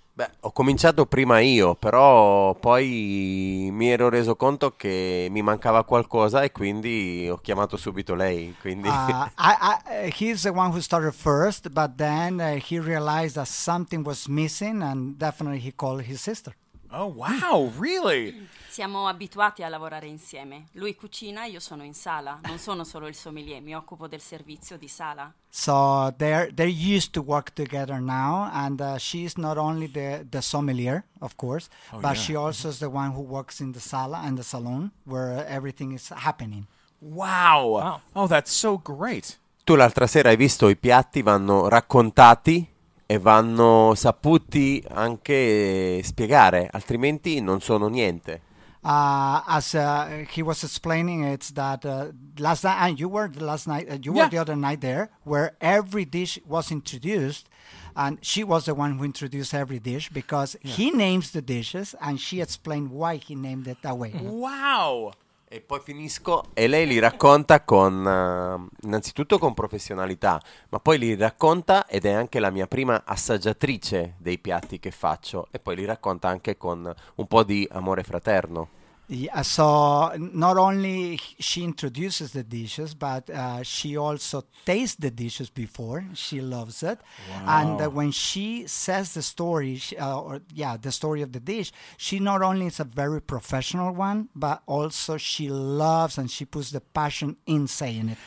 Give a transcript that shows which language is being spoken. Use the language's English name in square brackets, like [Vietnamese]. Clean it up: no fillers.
[Italian] Beh, ho cominciato prima io, però poi mi ero reso conto che mi mancava qualcosa e quindi ho chiamato subito lei. Quindi [English] he's the one who started first, but then he realized that something was missing and definitely he called his sister. Oh wow, really? [Italian] Siamo abituati a lavorare insieme. Lui cucina e io sono in sala. Non sono solo il sommelier, mi occupo del servizio di sala. [English] So they're used to work together now, and she's not only the sommelier, of course, she also is the one who works in the sala and the salon where everything is happening. Wow. Wow. Oh, that's so great. [Italian] Tu l'altra sera hai visto i piatti vanno raccontati e vanno saputi anche spiegare, altrimenti non sono niente. [English] He was explaining, it's that last night, and you were the last night, were the other night there, where every dish was introduced, and she was the one who introduced every dish, because he names the dishes, and she explained why he named it that way. Wow! [Italian] E poi finisco, e lei li racconta con, innanzitutto con professionalità, ma poi li racconta, ed è anche la mia prima assaggiatrice dei piatti che faccio, e poi li racconta anche con un po' di amore fraterno. [English] Yeah, so not only she introduces the dishes, but she also tastes the dishes before. She loves it. Wow. And when she says the story, the story of the dish, she not only is a very professional one, but also she loves and she puts the passion in saying it.